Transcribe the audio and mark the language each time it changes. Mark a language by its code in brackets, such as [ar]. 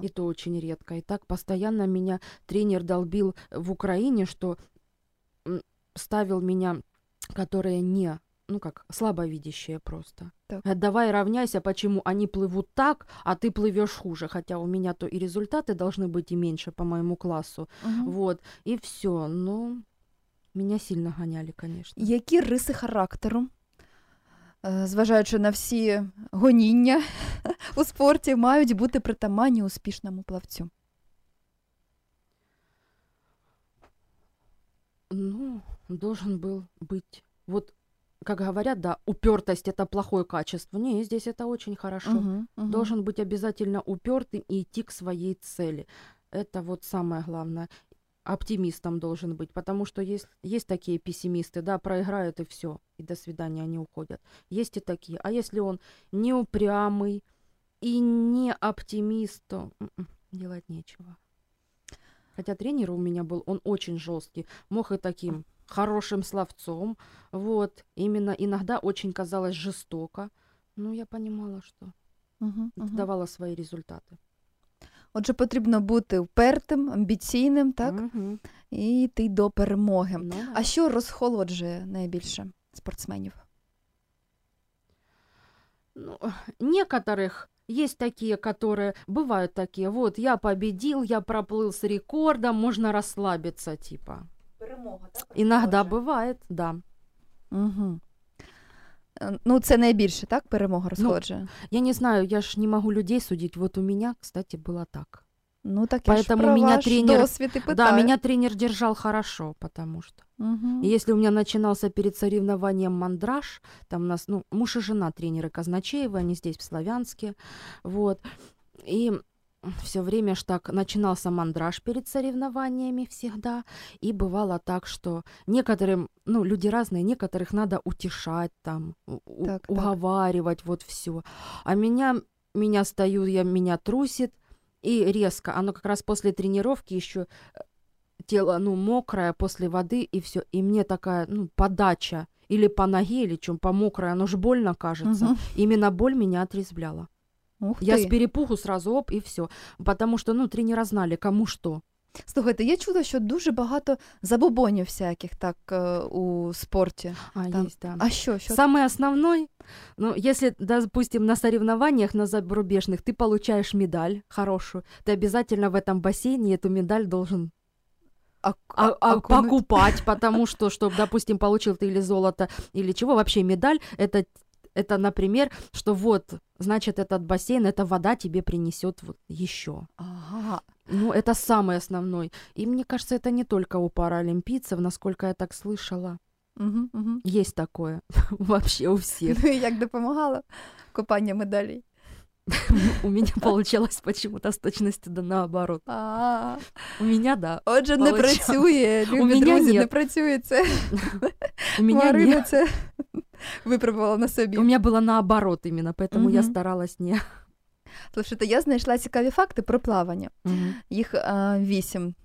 [ru] И то очень редко. И так постоянно меня тренер долбил в Украине, что ставил меня, которые не, ну как, слабовидящие просто. Так. Давай равняйся, почему они плывут так, а ты плывешь хуже. Хотя у меня то и результаты должны быть и меньше по моему классу. Угу. Вот. И все. Ну, Меня сильно ганяли, конечно. [uk] Які риси характеру, зважаючи на всі гоніння у спорті, мають бути притаманні успішному плавцю? [ru] Ну, должен был быть. Вот, как говорят, да, упертость — это плохое качество. Не, здесь это очень хорошо. Должен быть обязательно упертым и идти к своей цели. Это вот самое главное. Оптимистом должен быть, потому что есть такие пессимисты, да, проиграют и все, и до свидания, они уходят. Есть и такие. А если он не упрямый и не оптимист, то делать нечего. Хотя тренер у меня был, он очень жесткий, мог и таким хорошим словцом, вот, именно иногда очень казалось жестоко, но я понимала, что давала свои результаты. [uk] Отже, потрібно бути впертим, амбіційним, так? І йти до перемоги. Ну, а що розхолоджує найбільше спортсменів? [ru] Ну, некоторых есть такие, которые бывают такие. Вот, я победил, я проплыл с рекордом, можно расслабиться, типа. [uk] Перемога, так? [ru] Иногда бывает, да. Угу. [uk] Ну, це найбільше, так, перемога розходжує? [ru] Ну, я не знаю, я ж не можу людей судити. [uk] Вот у мене, кстати, було так. Ну, так я ж про ваш досвід і питаю. [ru] Да, мене тренер держав хорошо, потому что. Угу. И если у меня начинался перед соревнованием мандраж, там у нас, ну, муж и жена тренеры Казначеевы, они здесь, в Славянске, вот, и все время ж так начинался мандраж перед соревнованиями всегда, и бывало так, что некоторым, ну, люди разные, некоторых надо утешать там, так, уговаривать, так. Вот все. А меня стою, я, меня трусит, и резко, оно как раз после тренировки еще тело, ну, мокрое после воды, и все, и мне такая, ну, подача, или по ноге, или чем, по мокрой, оно же больно кажется, именно боль меня отрезвляла. Я с перепугу сразу, оп, [uk] і все. Потому що, ну, тренера знали, кому що. Слухайте, я чула, що дуже багато забобонів всяких так у спорті. А, там. [ru] Есть, да. [uk] А що? [ru] Самый основной, ну, если, допустим, на соревнованиях, на зарубежных, ты получаешь медаль хорошую, ты обязательно в этом бассейне эту медаль должен покупать, потому что, чтобы, допустим, получил ты или золото, или чего, вообще медаль, это... Это, например, что вот, значит, этот бассейн, эта вода тебе принесет вот еще. Ага. Ну, это самый основной. И мне кажется, это не только у паралимпийцев, насколько я так слышала. Есть такое вообще у всех. [uk] Ну, як допомагала купання медалей? [ru] У меня получалось почему-то с точностью до наоборот. У меня, да. [uk] Отже, не працює, любі друзі, не працює це. [ru] У меня нет. [uk] Випробувала на собі. У мене було [ru] наоборот [uk] іменно, [ru] поэтому я старалась не. [uk] Слушайте, я знайшла цікаві факти про плавання. Їх 8.